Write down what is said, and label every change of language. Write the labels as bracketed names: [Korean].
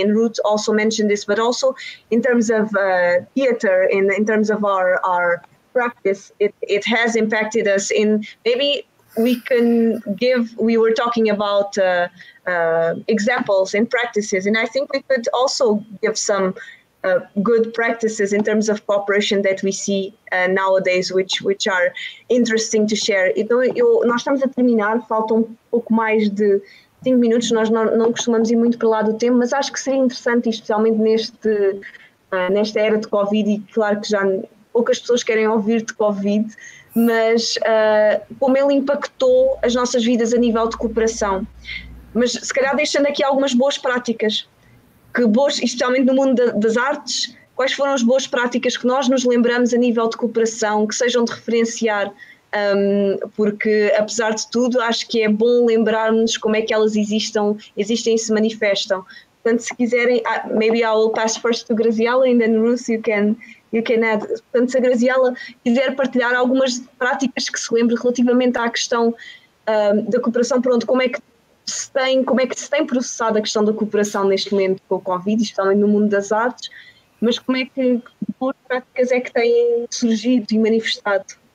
[English] And Ruth also mentioned this, but also in terms of theater, in terms of our practice, it has impacted us in maybe we can give, we were talking about examples and practices, and I think we could also give some good practices in terms of cooperation that we see nowadays, which are interesting to share. [Portuguese] Então, nós estamos a terminar, faltam um pouco mais de 5 minutos, nós não costumamos ir muito para lá do tempo, mas acho que seria interessante, especialmente nesta era de Covid, e claro que já poucas pessoas querem ouvir de Covid, mas como ele impactou as nossas vidas a nível de cooperação. Mas se calhar deixando aqui algumas boas práticas, que boas, especialmente no mundo das artes, quais foram as boas práticas que nós nos lembramos a nível de cooperação, que sejam de referenciar, porque apesar de tudo acho que é bom lembrarmos como é que elas existem e se manifestam. Portanto, se quiserem, [English] maybe I will pass first to Graziella and then Ruth, you can add. [Portuguese] Portanto, se a Graziella quiser partilhar algumas práticas que se lembre relativamente à questão da cooperação, pronto, como é que se tem processado a questão da cooperação neste momento com o Covid, especialmente no mundo das artes, mas como é que boas práticas é que têm surgido e manifestado?